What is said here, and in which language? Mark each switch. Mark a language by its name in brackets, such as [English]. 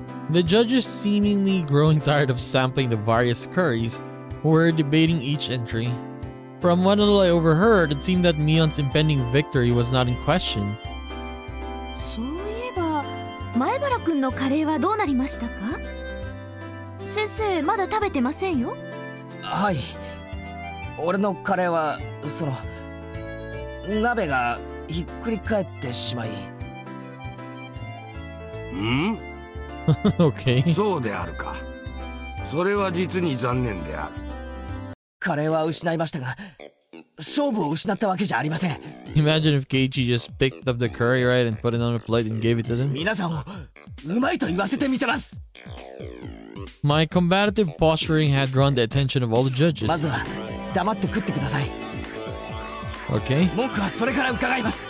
[English] The judges, seemingly growing tired of sampling the various curries, were debating each entry. From what little I overheard, it seemed that Mion's impending victory was not in question. [Japanese] そういえば、前原君のカレーはどうなりましたか? 先生、まだ食べてませんよ。はい。俺のカレーは、その、鍋がひっくり返ってしまい。ん? [English] okay. [Japanese] そうであるか。それは実に残念である。カレーは失いましたが、勝負を失ったわけじゃありません。 [English] Imagine if Keiichi just picked up the curry right and put it on a plate and gave it to them. [Japanese] 皆さんをうまいと言わせてみせます。 [English] My combative posturing had drawn the attention of all the judges. [Japanese] まずは黙って食ってください。 [English] Okay. [Japanese] 僕はそれから伺います。